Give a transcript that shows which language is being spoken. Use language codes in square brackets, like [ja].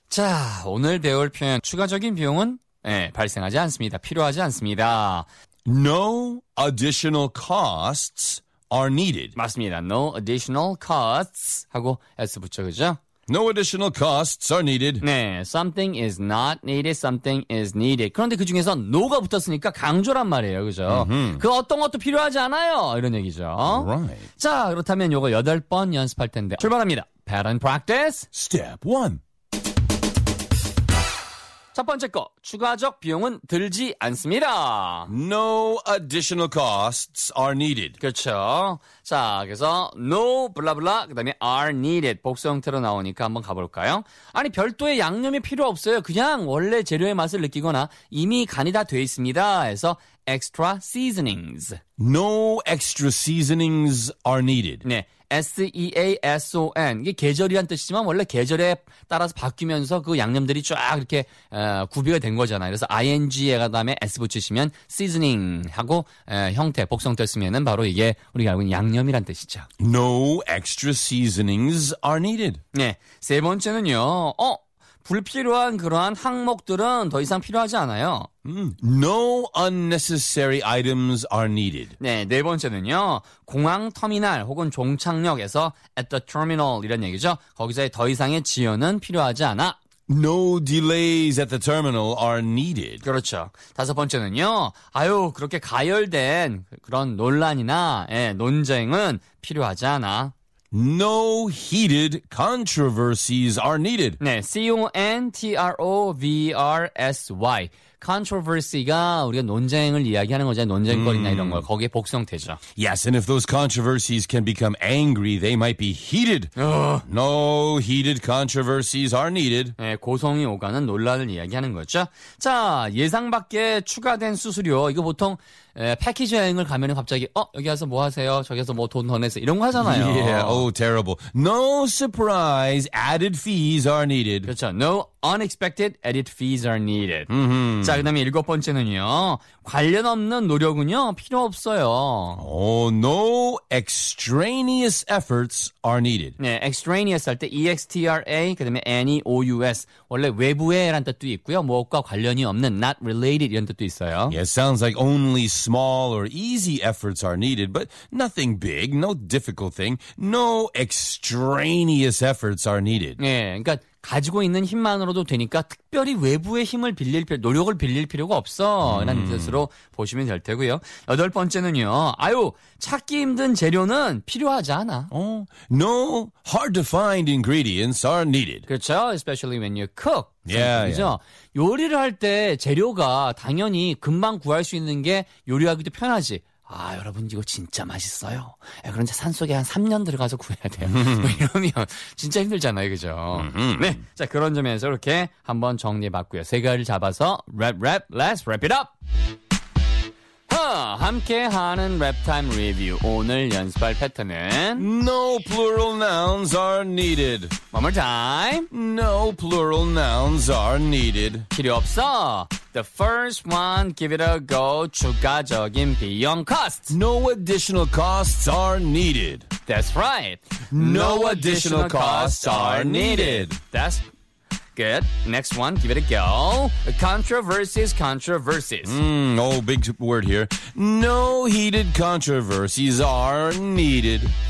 [ko] 자, 오늘 배울 표현 추가적인 비용은 예, 발생하지 않습니다. 필요하지 않습니다. [en] No additional costs are needed. [ko] 맞습니다. [en] No additional costs [ko] 하고 S 붙여, 그죠? [en] No additional costs are needed. 네, something is not needed, something is needed. [ko] 그런데 그 중에서 no가 붙었으니까 강조란 말이에요, 그죠? Mm-hmm. 그 어떤 것도 필요하지 않아요, 이런 얘기죠. [en] Right. [ko] 자, 그렇다면 요거 8번 연습할 텐데 출발합니다. [en] Pattern practice. Step 1. [ko] 첫 번째 거, 추가적 비용은 들지 않습니다. [en] No additional costs are needed. [ko] 그렇죠. 자, 그래서 no, 블라블라, 그 다음에 [en] are needed. [ko] 복수 형태로 나오니까 한번 가볼까요? 아니, 별도의 양념이 필요 없어요. 그냥 원래 재료의 맛을 느끼거나 이미 간이 다 돼 있습니다. [en] 해서 extra seasonings. No extra seasonings are needed. 네. S-E-A-S-O-N. [ko] 이게 계절이란 뜻이지만 원래 계절에 따라서 바뀌면서 그 양념들이 쫙 이렇게 구비가 된 거잖아요. 그래서 ing에 다음에 S 붙이시면 seasoning 하고 형태, 복성태 쓰면은 바로 이게 우리가 알고 있는 양념이란 뜻이죠. [en] No extra seasonings are needed. [ko] 네. 세 번째는요. 불필요한 그러한 항목들은 더 이상 필요하지 않아요. [en] No unnecessary items are needed. [ko] 네, 네 번째는요. 공항 터미널 혹은 종착역에서 at the terminal 이런 얘기죠. 거기서의 더 이상의 지연은 필요하지 않아. [en] No delays at the terminal are needed. [ko] 그렇죠. 다섯 번째는요. 아유, 그렇게 가열된 그런 논란이나 논쟁은 필요하지 않아. [en] No heated controversies are needed. 네, C-O-N-T-R-O-V-R-S-Y. [ko] Controversy가 우리가 논쟁을 이야기하는 거잖아요. 논쟁거리나 이런 거. 거기에 복수형태죠. [en] Yes, and if those controversies can become angry, they might be heated. No heated controversies are needed. [ko] 네, 고성이 오가는 논란을 이야기하는 거죠. 자, 예상 밖에 추가된 수수료. 이거 보통 패키지 여행을 가면 갑자기 여기 와서 뭐 하세요? 저기서 뭐 돈 더 내세요? 이런 거 하잖아요. [en] Yeah, oh, terrible. No surprise added fees are needed. [ko] 그렇죠. [en] No unexpected added fees are needed. Mm-hmm. [ko] 자, 그 다음에 일곱 번째는요. 관련 없는 노력은요. 필요 없어요. [en] Oh, no extraneous efforts are needed. [ko] 네, extraneous 할 때 E-X-T-R-A, 그 다음에 N-E-O-U-S. 원래 외부에 라는 뜻도 있고요. 무엇과 관련이 없는, [en] not related [ko] 이런 뜻도 있어요. [en] Yeah, it sounds like only small or easy efforts are needed, but nothing big, no difficult thing. No extraneous efforts are needed. [ko] 네, 그러니까 가지고 있는 힘만으로도 되니까 특별히 외부의 힘을 빌릴 필요, 노력을 빌릴 필요가 없어. 라는 뜻으로 보시면 될 테고요. 여덟 번째는요. 아유, 찾기 힘든 재료는 필요하지 않아. [en] No hard to find ingredients are needed. [ko] 그렇죠. [en] Especially when you cook. Yeah, [ko] 그죠? [en] Yeah. [ko] 요리를 할 때 재료가 당연히 금방 구할 수 있는 게 요리하기도 편하지. 아, 여러분 이거 진짜 맛있어요. 그런데 산속에 한 3년 들어가서 구해야 돼요. 이러면 진짜 힘들잖아요. 그죠? 네. 자, 그런 점에서 이렇게 한번 정리해봤고요. 세 가지를 잡아서 랩, [en] let's wrap it up. [ko] 함께하는 랩타임 리뷰. 오늘 연습할 패턴은 [en] No plural nouns are needed. One more time. No plural nouns are needed. [ko] 필요 없어. [en] The first one, give it a go. [ko] 추가적인 비용 cost. [en] No additional costs are needed. That's right. No additional costs are needed. That's good. Next one, give it a go. Controversies. Big word here. No heated controversies are needed.